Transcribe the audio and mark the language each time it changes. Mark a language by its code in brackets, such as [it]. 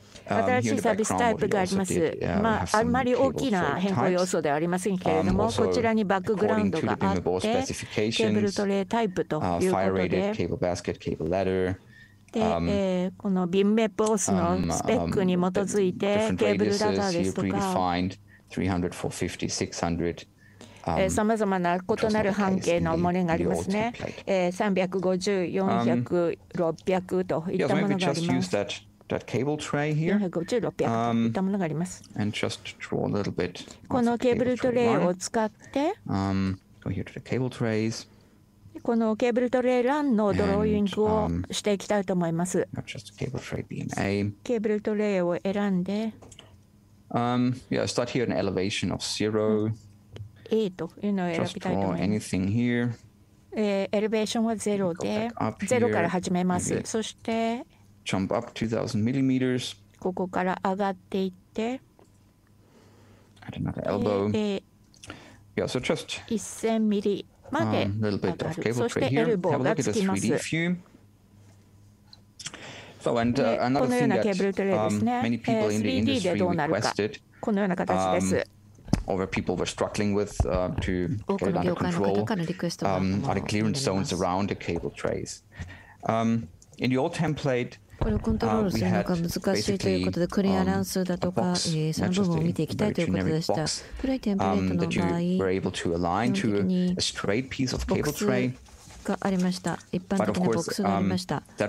[ja] 新しいサービスタイプがあります。まあ、あんまり大きな変更要素ではありませんけれども、こちらにバックグラウンドがあって、ケーブルトレータイプということで、で、この BIM-MEP AUS のスペックに基づいて、ケーブルラダーですとか、さまざまな異なる半径の漏れがありますね。 350、400、600といったものがあります。 [en] That cable tray here, and just draw a little bit. [ja] このケーブルトレイを使って、 [en] go here to the cable trays. [ja] このケーブルトレイランのドローイングをしていきたいと思います。 [en] Just cable tray beam A. [ja] ケーブルトレイを選んで、 [en] yeah, start here an elevation of zero. [ja] A というのを選びたいと思います。 [en] Draw anything here. [ja] エレベーションはゼロで、ゼロから始めます。そして。 [en] Jump up 2,000 millimeters. [ja] ここから上がっていって。 [en] Add another elbow. Yeah, so just [ja] 1,000 ミリまで上がる。 [en] Little bit of cable tray here. [ja] そしてエルボーがつきます。 [en] Have a look at this 3D view. So and another thing that many people in the industry requested. [ja] このような形です。 [en] Over people were struggling with to get under control. Are the clearance zones around the cable trays? In the old template. [ja] これをコントロールするのが難しいということで、クリアランスだとか、その部分を見ていきたいということでした。古いテンプレートの場合、基本的にボックスがありました。一般的なボックスがありました。